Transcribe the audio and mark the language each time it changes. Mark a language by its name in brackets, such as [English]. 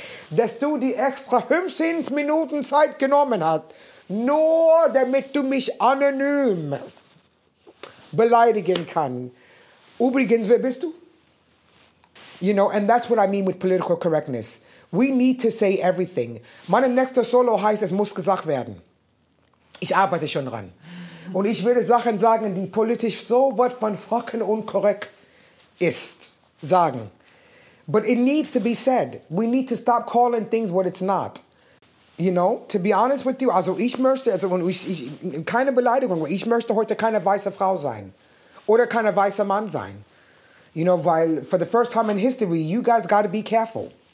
[German] Dass du die extra 15 Minuten Zeit genommen hast, nur damit du mich anonym beleidigen kann. Übrigens, wer bist du? [English] You know, and that's what I mean with political correctness. We need to say everything. [German] Meine nächste Solo heißt, es muss gesagt werden. Ich arbeite schon dran. Und ich werde Sachen sagen, die politisch so was von fucking unkorrekt ist. Sagen. [English] But it needs to be said. We need to stop calling things what it's not. You know, to be honest with you, [German] also ich möchte, also ich, keine Beleidigung, ich möchte heute keine weiße Frau sein. Oder keine weiße Mann sein. [English] You know, weil for the first time in history, you guys got to be careful.